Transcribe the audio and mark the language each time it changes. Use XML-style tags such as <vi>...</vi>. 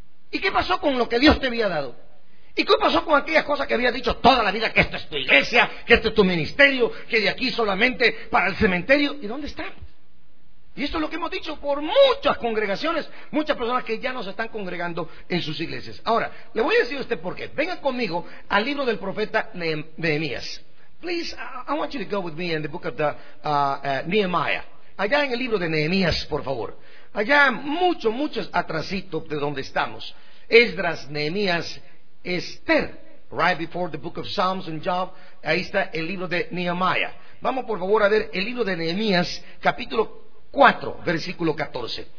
<es>¿Y qué pasó con lo que Dios te había dado? ¿Y qué pasó con aquellas cosas que había dicho toda la vida, que esto es tu iglesia, que esto es tu ministerio, que de aquí solamente para el cementerio? ¿Y dónde está? Y esto es lo que hemos dicho por muchas congregaciones, muchas personas que ya nos están congregando en sus iglesias. Ahora, le voy a decir a usted por qué. Venga conmigo al libro del profeta Nehemías.</es> <en>Please, I want you to go with me in the book of the Nehemiah.</en> <es>Allá en el libro de Nehemías, por favor. Allá muchos atrasito de donde estamos.</es> <en>Esdras, Nehemías, Esther, right before the book of Psalms and Job.</en> <es>Ahí está el libro de Nehemiah. Vamos por favor a ver el libro de Nehemías, capítulo 4, versículo 14.</es>